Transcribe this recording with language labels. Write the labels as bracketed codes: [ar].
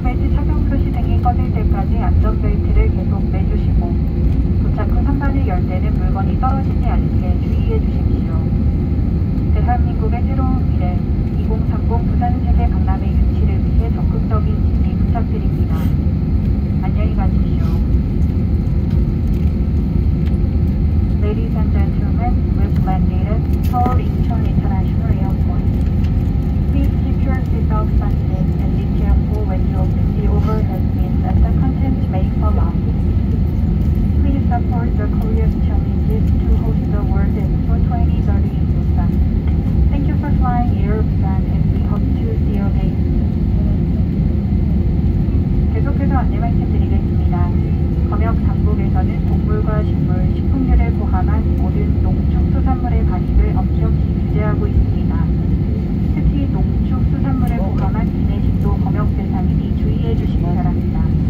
[ko] 지역 게이트를 계속 내주시고 도착한 상단을 열 때는 물건이 떨어지지 않게 주의해 주십시오. 대한민국의 새로운 미래 2030 부산세계 박람회 유치를 위해 적극적인 지지 부탁드립니다. 안녕히 가십시오. [en] Ladies and gentlemen, we've landed at Seoul Incheon International Airport. Please keep your seatbelt fastened and be careful when you open the overhead bins as the contents may fall out. Please support the Korean challenges to host the World Expo 2030 in Busan. Thank you for flying Air Busan and we hope to see you again. [ko] 계속해서 안내 말씀드리겠습니다. 검역 당국에서는 동물과 식물, 식품들을 포함한 모든 농축수산물의 반입을 엄격히 규제하고 있습니다. 특히 농축수산물을 포함한 기내식도 검역 대상이니 주의해 주시기 바랍니다.